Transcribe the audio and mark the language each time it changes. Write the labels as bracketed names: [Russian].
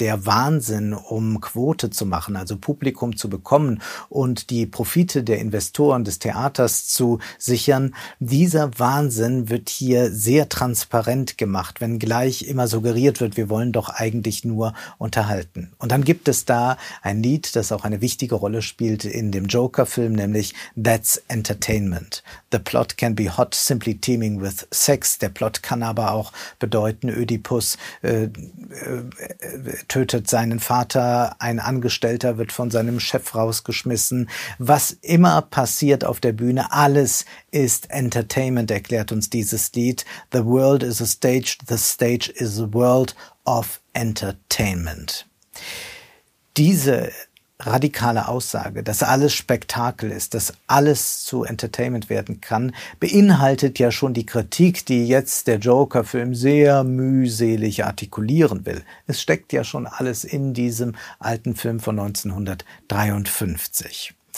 [German] Der Wahnsinn, um Quote zu machen, also Publikum zu bekommen und die Profite der Investoren des Theaters zu sichern. Dieser Wahnsinn wird hier sehr transparent gemacht, wenngleich immer suggeriert wird, wir wollen doch eigentlich nur unterhalten. Und dann gibt es da ein Lied, das auch eine wichtige Rolle spielt in dem Joker-Film, nämlich That's Entertainment. [English] The plot can be hot, simply teeming with sex. [German] Der Plot kann aber auch bedeuten, Ödipus tötet seinen Vater, ein Angestellter wird von seinem Chef rausgeschmissen. Was immer passiert auf der Bühne, alles ist Entertainment, erklärt uns dieses Lied. [English] The world is a stage, the stage is a world of entertainment. [German] Diese radikale Aussage, dass alles Spektakel ist, dass alles zu Entertainment werden kann, beinhaltet ja schon die Kritik, die jetzt der Joker-Film sehr mühselig artikulieren will. Es steckt ja schon alles in diesem alten Film von 1953.